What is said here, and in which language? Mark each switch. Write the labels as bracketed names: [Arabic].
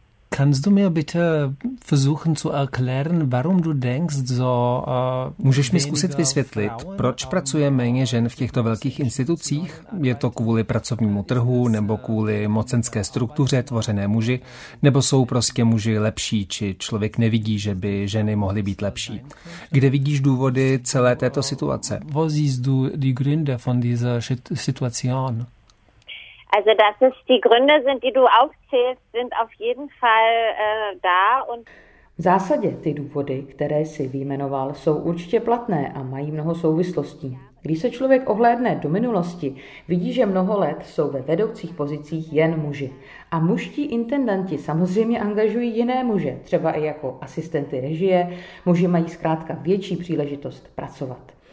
[German] Kannst du mir bitte versuchen zu erklären, warum du denkst so? [Czech] Můžeš mi zkusit vysvětlit, proč pracuje méně žen v těchto velkých institucích? Je to kvůli pracovnímu trhu, nebo kvůli mocenské struktuře tvořené muži, nebo jsou prostě muži lepší, či člověk nevidí, že by ženy mohly být lepší? Kde vidíš důvody celé této situace? [German] Wo siehst du die Gründe von dieser Situation? Also dass es die Gründe sind, die du aufzählst, sind auf jeden Fall da und [Czech] v zásadě ty důvody, které jsi vyjmenoval, jsou určitě platné a mají mnoho souvislostí. Když se člověk ohlédne do minulosti, vidí, že mnoho let jsou ve vedoucích pozicích jen muži. A mužští intendanti samozřejmě angažují jiné muže, třeba i jako asistenty režie, muži mají zkrátka větší příležitost pracovat.